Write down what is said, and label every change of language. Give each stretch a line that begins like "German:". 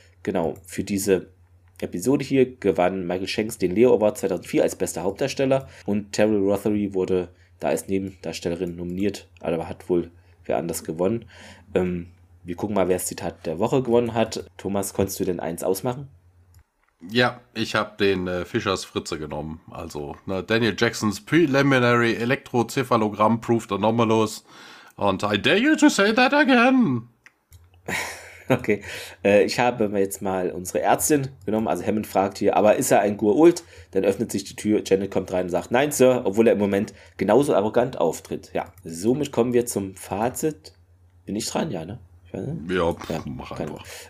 German: Genau, für diese Episode hier gewann Michael Shanks den Leo Award 2004 als bester Hauptdarsteller und Terrell Rothery wurde da als Nebendarstellerin nominiert, aber hat wohl wer anders gewonnen. Wir gucken mal, wer das Zitat der Woche gewonnen hat. Thomas, konntest du denn eins ausmachen? Ja, ich habe den Fischers Fritze genommen. Also ne,
English: Daniel Jacksons Preliminary Electrocephalogram Proved Anomalous and I dare you to say that again.
German: Okay, ich habe jetzt mal unsere Ärztin genommen, also Hammond fragt hier, aber ist er ein Gur-Ult? Dann öffnet sich die Tür, Janet kommt rein und sagt, nein, Sir, obwohl er im Moment genauso arrogant auftritt. Ja, somit kommen wir zum Fazit. Bin ich dran, ja, ne? Ich weiß nicht. Ja, pff, ja, mach keine. Einfach.